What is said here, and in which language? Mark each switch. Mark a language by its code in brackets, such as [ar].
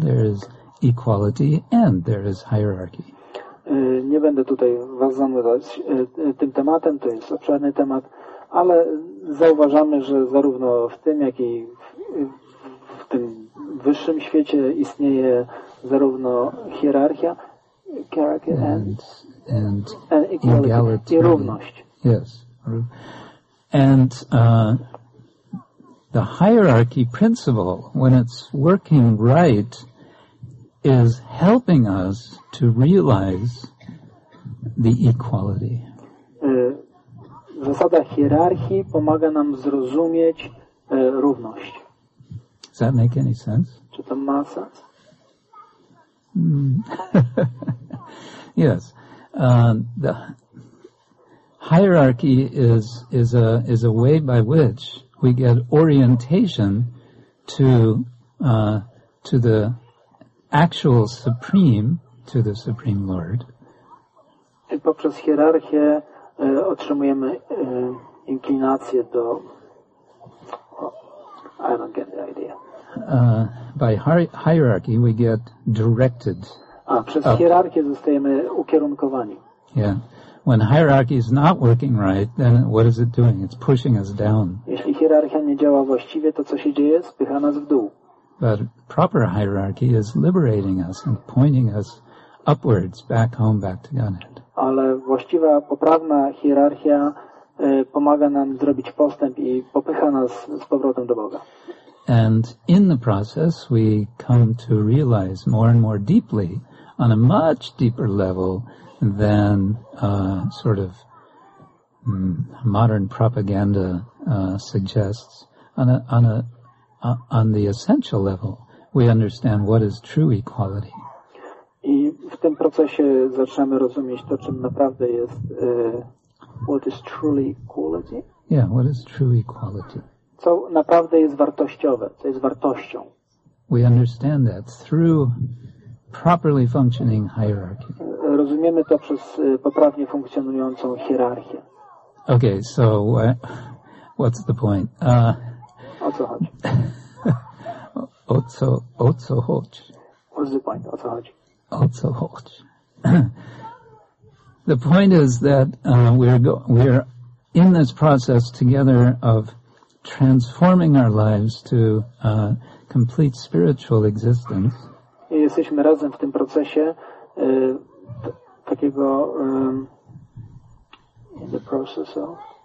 [en] There is equality and there is hierarchy. [pl] Nie będę tutaj was zanudzać tym tematem, to jest obszerny temat, ale zauważamy, że zarówno w tym, jak i w tym wyższym świecie istnieje zarówno hierarchia, [en] and equality, egality, [pl] i równość. [en] Yes. And the hierarchy principle, when it's working right, is helping us to realize the equality. [pl] Zasada hierarchii pomaga nam zrozumieć równość. [en] Does that make any sense? [pl] Czy to ma sens? [en] Yes. The hierarchy is a way by which we get orientation to the actual supreme, to the supreme Lord. [pl] I poprzez hierarchię otrzymujemy inklinację do. [en] Oh, I don't get the idea. By hierarchy we get directed. [pl] A przez hierarchię zostajemy ukierunkowani. [en] Yeah. When hierarchy is not working right, then what is it doing? It's pushing us down. [pl] Jeśli hierarchia nie działa właściwie, to co się dzieje? Spycha nas w dół. [en] But proper hierarchy is liberating us and pointing us upwards, back home, back to Godhead. [pl] Ale właściwa, poprawna hierarchia pomaga nam zrobić postęp i popycha nas z powrotem do Boga. [en] And in the process we come to realize more and more deeply, on a much deeper level than sort of modern propaganda suggests, on the essential level we understand what is true equality. [pl] I w tym procesie zaczynamy rozumieć to, czym naprawdę jest [en] what is truly equality. Yeah, what is true equality. [pl] Co naprawdę jest wartościowe, co jest wartością. [en] We understand that through properly functioning hierarchy. [pl] Rozumiemy to przez poprawnie funkcjonującą hierarchię. [en] Okay, so what's the point? [pl] O co chodzi? O co chodzi? [en] What's the point? [pl] O co chodzi? O co chodzi? [en] The point is that we're in this process together of transforming our lives to complete spiritual existence. [pl] I jesteśmy razem w tym procesie takiego [en] in the process of